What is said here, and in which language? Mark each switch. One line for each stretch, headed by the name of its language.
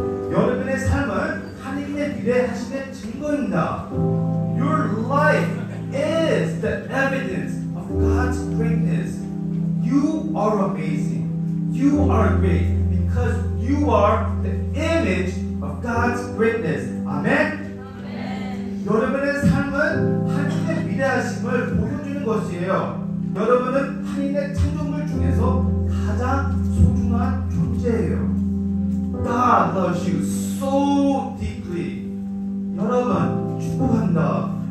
Korean: 여러분의 삶은 하나님의 미래에 하시는 증거입니다.
English: Your life is the evidence of God's greatness. You are amazing. You are great because you are the image of God's greatness. Amen.
Korean: 여러분의 삶은 하나님의 위대하심을 보여주는 것이에요. 여러분은 하나님의 창조물 중에서 가장 소중한 존재예요.
English: God loves you so deeply.
Korean: 여러분 축복한다.